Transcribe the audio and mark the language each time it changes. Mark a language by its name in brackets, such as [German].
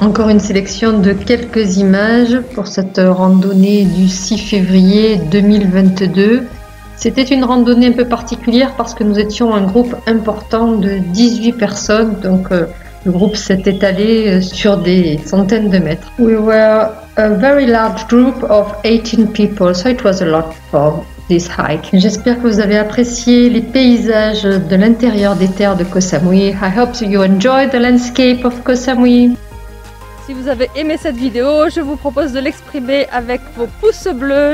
[French] Encore une sélection de quelques images pour cette randonnée du 6 février 2022. C'était une randonnée un peu particulière parce que nous étions un groupe important de 18 personnes. Donc le groupe s'est étalé sur des centaines de mètres. [English] We were a very large group of 18 people, so it was a lot for this hike. [French] J'espère que vous avez apprécié les paysages de l'intérieur des terres de Koh Samui. [English] I hope you enjoy the landscape of Koh Samui. [French] Si vous avez aimé cette vidéo, je vous propose de l'exprimer avec vos pouces bleus.